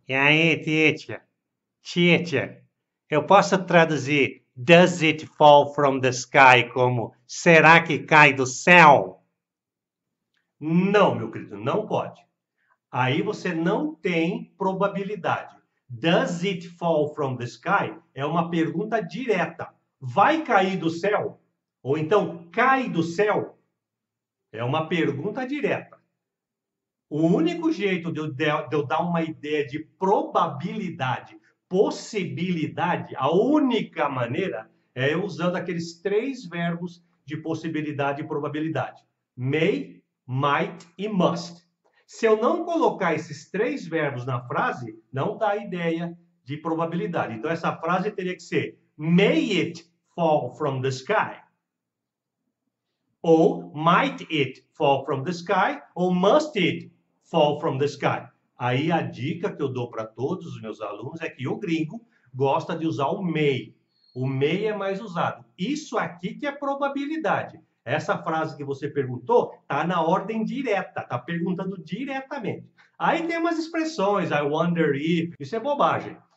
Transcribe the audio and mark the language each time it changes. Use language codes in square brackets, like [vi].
[pt] E aí, teacher? Teacher, eu posso traduzir [en] Does it fall from the sky [pt] como será que cai do céu? Não, meu querido, não pode. Aí você não tem probabilidade. [en] Does it fall from the sky? [pt] É uma pergunta direta. Vai cair do céu? Ou então cai do céu? É uma pergunta direta. O único jeito de eu dar uma ideia de probabilidade, possibilidade, a única maneira é usando aqueles três verbos de possibilidade e probabilidade: may, might e must. Se eu não colocar esses três verbos na frase, não dá ideia de probabilidade. Então, essa frase teria que ser: [en] May it fall from the sky? Ou Might it fall from the sky? Ou Must it fall from the sky? [pt] Aí a dica que eu dou para todos os meus alunos é que o gringo gosta de usar o may. O may é mais usado. Isso aqui que é probabilidade. Essa frase que você perguntou está na ordem direta, está perguntando diretamente. Aí tem umas expressões, [en] I wonder if, [pt] isso é bobagem.